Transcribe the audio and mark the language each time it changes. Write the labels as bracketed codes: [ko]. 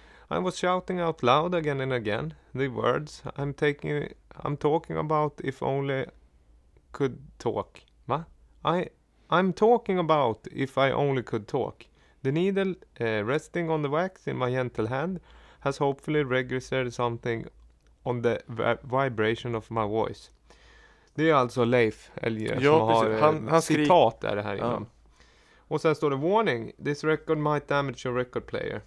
[en] I was shouting out loud again and again the words I'm talking about if only could talk. Va? I'm talking about if I only could talk. The needle resting on the wax in my gentle hand has hopefully registered something on the vibration of my voice. [sv] Det är alltså Leif Elger som precis. Har han citat där det här. Ja. Och sen står det warning. [en] This record might damage your record player.